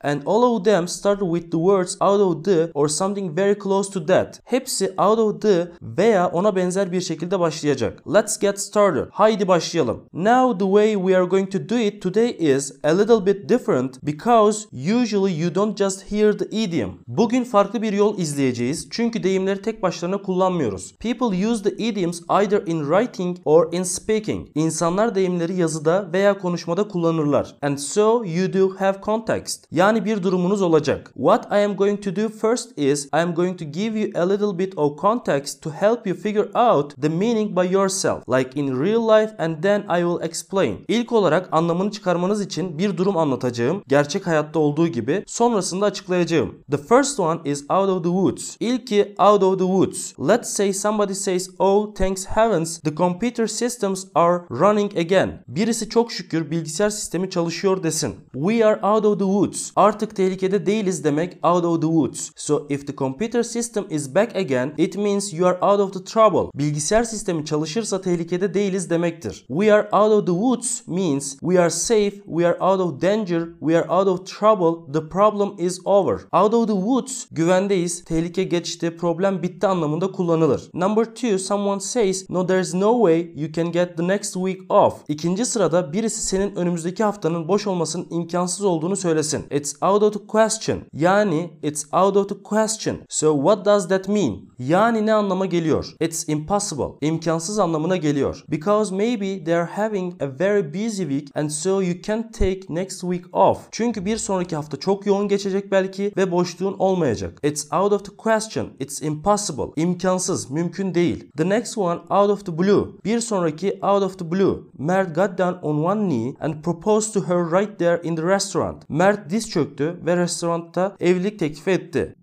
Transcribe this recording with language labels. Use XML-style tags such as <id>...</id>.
<en>And all of them start with the words out of the or something very close to that.</en> <tr>Hepsi out of the veya ona benzer bir şekilde başlayacak.</tr> <en>Let's get started.</en> <tr>Haydi başlayalım.</tr> <en>Now the way we are going to do it today is a little bit different because usually you don't just hear the idiom.</en> <tr>Bugün farklı bir yol izleyeceğiz çünkü deyimleri tek başlarına kullanmıyoruz.</tr> <en>People use the idioms either in writing or in speaking.</en> <tr>İnsanlar deyimleri yazıda veya konuşmada kullanırlar.</tr> <en>And so you do have context.</en> <tr>Yani bir durumunuz olacak.</tr> <en>What I am going to do first is I am going to give you a little bit of context to help you figure out the meaning by yourself. Like in real life and then I will explain.</en> <tr>İlk olarak anlamını çıkarmanız için bir durum anlatacağım. Gerçek hayatta olduğu gibi sonrasında açıklayacağım.</tr> <en>The first one is out of the woods.</en> <tr>İlki</tr> <en>out of the woods. Let's say somebody says, "Oh, thanks heavens, the computer systems are running again."</en> <tr>Birisi çok şükür bilgisayar sistemi çalışıyor desin.</tr> <en>We are out of the woods.</en> <tr>Artık tehlikede değiliz demek out of the woods.</tr> <en>So if the computer system is back again, it means you are out of the trouble.</en> <tr>Bilgisayar sistemi çalışırsa tehlikede değiliz demek.</tr> <en>We are out of the woods means we are safe, we are out of danger, we are out of trouble, the problem is over.</en> <tr>Out of the woods, güvendeyiz, tehlike geçti, problem bitti anlamında kullanılır.</tr> <en>Number two, someone says, no there is no way you can get the next week off.</en> <tr>İkinci sırada birisi senin önümüzdeki haftanın boş olmasının imkansız olduğunu söylesin.</tr> <en>It's out of the question. Yani it's out of the question. So what does that mean?</en> <tr>Yani ne anlama geliyor?</tr> <en>It's impossible.</en> <tr>İmkansız anlamına geliyor.</tr> <en>Because maybe they are having a very busy week and so you can't take next week off.</en> <tr>Çünkü bir sonraki hafta çok yoğun geçecek belki ve boşluğun olmayacak.</tr> <en>It's out of the question. It's impossible.</en> <tr>İmkansız, mümkün değil.</tr> <en>The next one out of the blue.</en> <tr>Bir sonraki</tr> <en>out of the blue. Mert got down on one knee and proposed to her right there in the restaurant.</en> <tr>Mert diz çöktü ve restoranda evlilik teklifi etti.</tr>